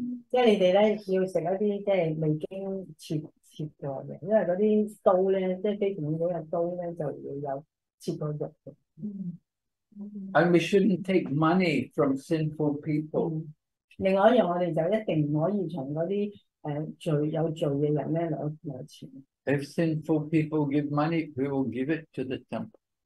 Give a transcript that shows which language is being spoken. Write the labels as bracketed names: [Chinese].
[Chinese] 即是你們要食一些未經切過的,因為那些刀,非常的刀就會有切過肉的。 [English] And we shouldn't take money from sinful people. [Chinese] 另外一樣,我們就一定不可以從那些有罪的人拿錢。 [English] If sinful people give money, we will give it to the temple.